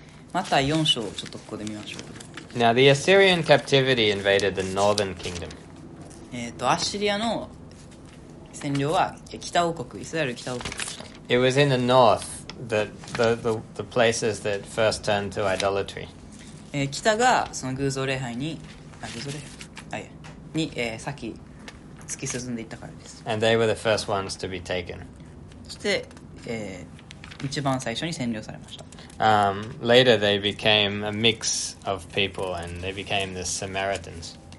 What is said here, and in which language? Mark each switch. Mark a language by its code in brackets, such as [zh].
[ja] マタイ4章をちょっとここで見ましょう。 [en] Now the Assyrian captivity invaded the northern kingdom. [ja] アッシリアの占領は北王国、イスラエル北王国でした。 [en] It was in the north that the places that first turned to idolatry. [ja] 北がその偶像礼拝に、偶像礼拝、あ、いや、に、先突き進んでいったからです。 [en] And they were the first ones to be taken. [ja] そして、一番最初に占領されました。 [en] Later they became a mix of people and they became the Samaritans.